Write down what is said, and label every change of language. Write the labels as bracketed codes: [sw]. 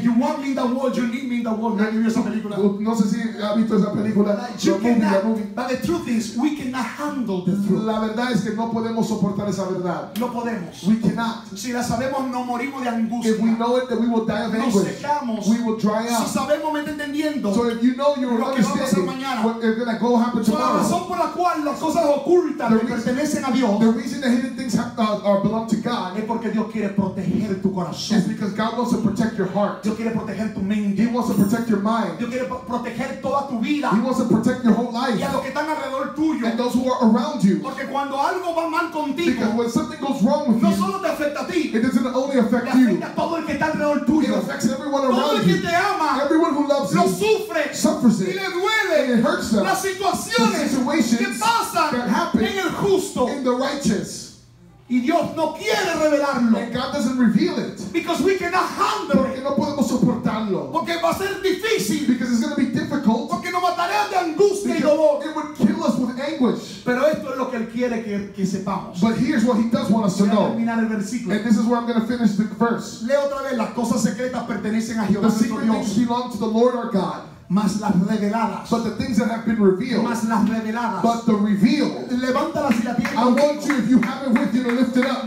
[en] You want me in the world, you need me in the world. [es] ¿Nadie vio esa película? No sé si ha visto esa película. [en] But the truth is, we cannot handle the truth. [es] La verdad es que no podemos soportar esa verdad. No podemos. [en] We cannot. [es] Si la sabemos, no morimos de angustia. [en] If we know it, then we will die of anguish. [es] Nos secamos. [en] We will dry out. [es] Si sabemos, me entendiendo. [en] So if you know, you will understand. [es] Mañana. [en] What is going to happen tomorrow? [es] La razón por la cual las cosas ocultas le pertenecen a Dios. [en] The reason the hidden things are belong to God. [es] Es porque Dios quiere proteger tu corazón. [en] It's because God wants to protect your heart. [es] Dios quiere proteger tu mente. [en] He wants to protect your mind. [es] Dios quiere proteger toda tu vida. [en] He wants to protect your whole life. [es] Y a los que están alrededor tuyo. [en] And those who are around you. [es] Porque cuando algo va mal contigo. [en] Because when something goes wrong with you. [es] No solo te afecta a ti. [en] It doesn't only affect you. [es] Le afecta a todo el que está alrededor tuyo. [en] It affects everyone around you. [es] Todo el que te ama. [en] Everyone who loves you. [es] Lo sufre. [en] Suffers it. [es] Y le duele. [en] And it hurts them. [es] Las situaciones. [en] The situations. [es] Que pasan. [en] That happen. [es] En el justo. [en] In the righteous. [es] Y Dios no quiere revelarlo. [en] And God doesn't reveal it. Because we cannot handle it. [es] Porque no podemos soportarlo. Porque va a ser difícil. [en] Because it's going to be difficult. [es] Porque nos matará de angustia y dolor. [en] It would kill us with anguish. [es] Pero esto es lo que él quiere que sepamos. [en] But here's what he does want us to know. [es] Voy a terminar el versículo. [en] And this is where I'm going to finish the verse. [es] Lee otra vez, las cosas secretas pertenecen a Jehová. [en] The secret things belong to the Lord our God. [es] Mas las reveladas. [en] But the things that have been revealed. [es] Mas las reveladas. [en] But the revealed. [es] Levántalas y la tierra. [en] I want you, if you have it with you, to lift it up.